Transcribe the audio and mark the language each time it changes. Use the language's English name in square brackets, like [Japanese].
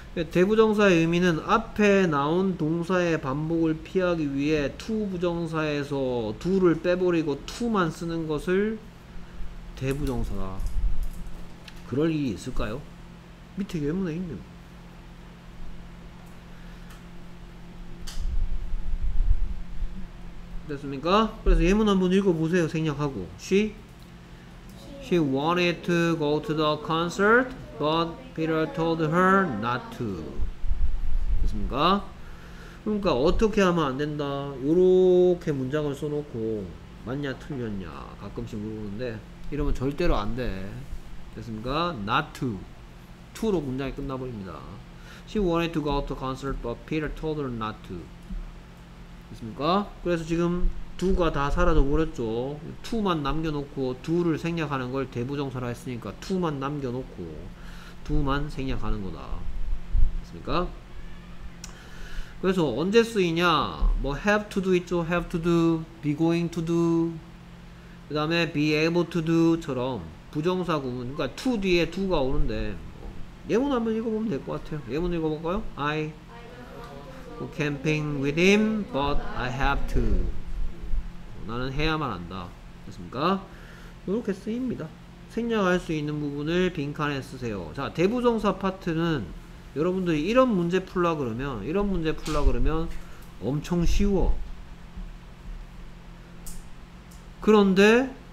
[Korean] 대부정사의 의미는 앞에 나온 동사의 반복을 피하기 위해 to 부정사에서 do를 빼버리고 to만 쓰는 것을 대부정사다. 그럴 일이 있을까요? 밑에 예문에 있는. 됐습니까? 그래서 예문 한번 읽어보세요. 생략하고. [English] She wanted to go to the concert, but Peter told her not to. [Korean] 됐습니까? 그러니까 어떻게 하면 안 된다. 요렇게 문장을 써놓고 맞냐 틀렸냐 가끔씩 물어보는데 이러면 절대로 안 돼. 됐습니까? [English] Not to. [Korean] To로 문장이 끝나버립니다. [English] She wanted to go to concert, but Peter told her not to. [Korean] 됐습니까? 그래서 지금 do가 다 사라져버렸죠. to만 남겨놓고 do를 생략하는 걸 대부정사라 했으니까 to만 남겨놓고 do만 생략하는 거다. 됐습니까? 그래서 언제 쓰이냐? 뭐 have to do 있죠. have to do, be going to do, 그 다음에 be able to do처럼 부정사구문, 그러니까 to 뒤에 do가 오는데 뭐 예문 한번 읽어보면 될 것 같아요. 예문 읽어볼까요? [English] I go camping with him, but I have to. [Korean] 나는 해야만 한다. 됐습니까? 이렇게 쓰입니다. 생략할 수 있는 부분을 빈칸에 쓰세요. 자, 대부정사 파트는 여러분들이 이런 문제 풀라 그러면, 이런 문제 풀라 그러면 엄청 쉬워. 그런데